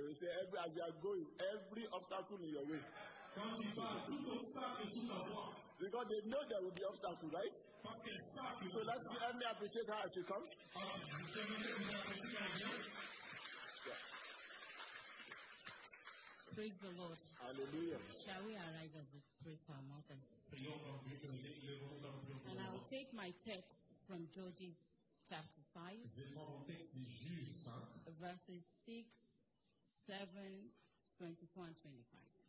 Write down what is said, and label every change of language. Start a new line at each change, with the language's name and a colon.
English: will say, as you are going, every obstacle in your way.
French: Quand tu vas, tout obstacle est sous ta voie.
English: Because they know there will be obstacles, right?
French: Parce qu'elle sait que
English: so let's see, let me appreciate her as she comes. Praise the Lord. Hallelujah. Shall we arise as we pray for our mothers? And I will take my text from Judges chapter 5, verses 6, 7, 24, and 25.